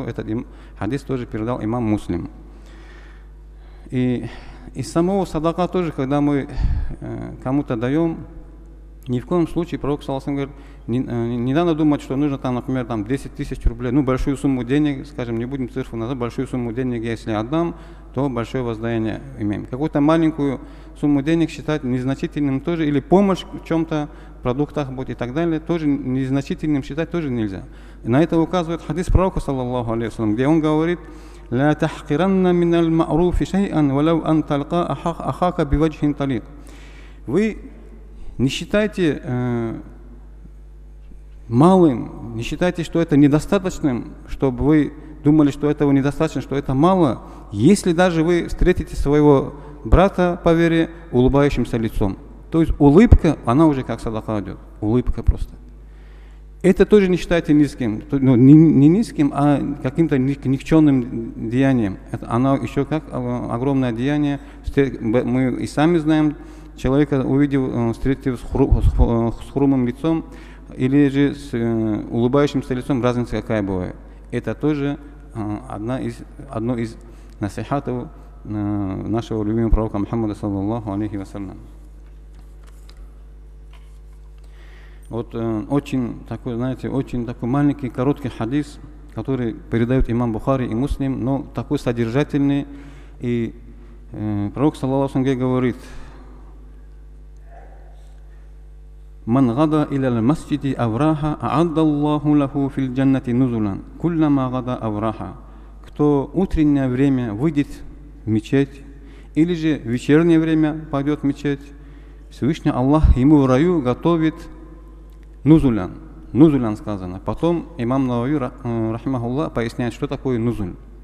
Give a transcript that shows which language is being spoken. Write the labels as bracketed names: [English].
[Russian] Этот хадис тоже передал имам Муслим. И из самого садака тоже, когда мы кому-то даем, ни в коем случае, пророк, саллаллаху алейхи вассалям, говорит, не надо думать, что нужно там, например, там 10 тысяч рублей, ну, большую сумму денег, скажем, не будем цифру назвать, большую сумму денег, если отдам, то большое воздаяние имеем. Какую-то маленькую сумму денег считать незначительным тоже, или помощь в чем-то, продуктах будет и так далее, тоже незначительным считать тоже нельзя. И на это указывает хадис пророка, саллаллаху алейхи вассалям, где он говорит: [Arabic] لا تحقرن من المعروف شيئا ولو أن تلقى أخاك بوجه طليق. [Russian] Вы не считайте малым, не считайте, что это недостаточным, чтобы вы думали, что этого недостаточно, что это мало, если даже вы встретите своего брата по вере улыбающимся лицом. То есть улыбка, она уже как садака идет. Улыбка просто. Это тоже не считайте низким, ну, не низким, а каким-то никчемным деянием. Это она еще как огромное деяние. Мы и сами знаем, человека увидев, встретив с хрумым лицом или же с улыбающимся лицом, разница какая бывает. Это тоже одно из насихатов нашего любимого пророка Мухаммада, саллаллаху алейхи вассалям. Вот очень такой маленький, короткий хадис, который передают имам Бухари и Муслим, но такой содержательный. И пророк, саллаллаху алейхи вассалям, говорит: [Arabic] من غدا إلى المسجد أفراحا أعد الله له في الجنة نزلا كلما غدا أفراحا. [Russian] Кто утреннее время выйдет в мечеть или же в вечернее время пойдет в мечеть, Всевышний Аллах ему в раю готовит нузулян. Нузулян сказано. Потом имам Навави рахмахуллах поясняет, что такое нузуль.